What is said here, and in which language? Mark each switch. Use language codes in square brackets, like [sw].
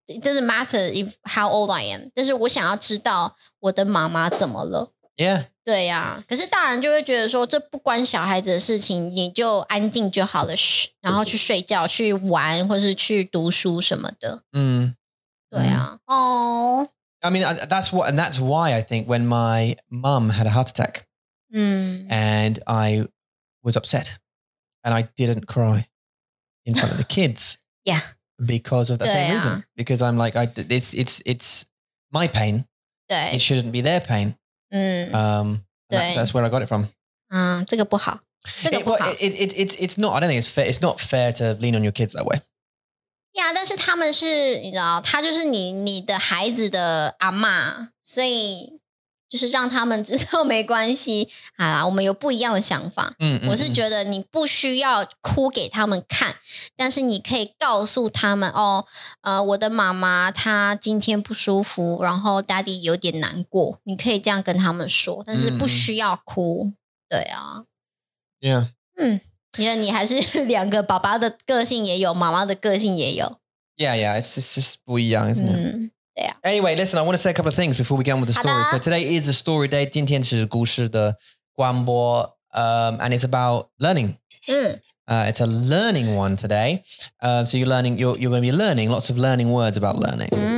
[en] It doesn't matter if how old I am. [zh] 但是我想要知道我的妈妈怎么了。可是大人就会觉得说这不关小孩子的事情，你就安静就好了，然后去睡觉、去玩或是去读书什么的。对啊。 [en] I mean, that's what, and that's why I think when my mom had a heart attack, and I was upset, and I didn't cry in front of the kids. Yeah. Because of that same reason. Because I'm like, it's my pain. It shouldn't be their pain. That's where I got it from. [zh] 这个不好，这个不好。 [en] It's not. I don't think it's fair. It's not fair to lean on your kids that way. [zh] Yeah, 但是他们是你的孩子的阿嬷，所以就是让他们知道没关系。好啦，我们有不一样的想法。我是觉得你不需要哭给他们看，但是你可以告诉他们哦，我的妈妈她今天不舒服，然后daddy有点难过，你可以这样跟他们说，但是不需要哭。对啊。 [en] Yeah. [zh] 嗯，因为你还是两个，爸爸的个性也有，妈妈的个性也有。 [en] Yeah, yeah, it's just [zh] 不一样, [en] isn't it? 嗯。Yeah. Anyway, listen, I want to say a couple of things before we get on with the story. So today is a story day. [zh] 今天是故事的广播, [en] and it's about learning. It's a learning one today. So you're going to be learning lots of learning words about learning.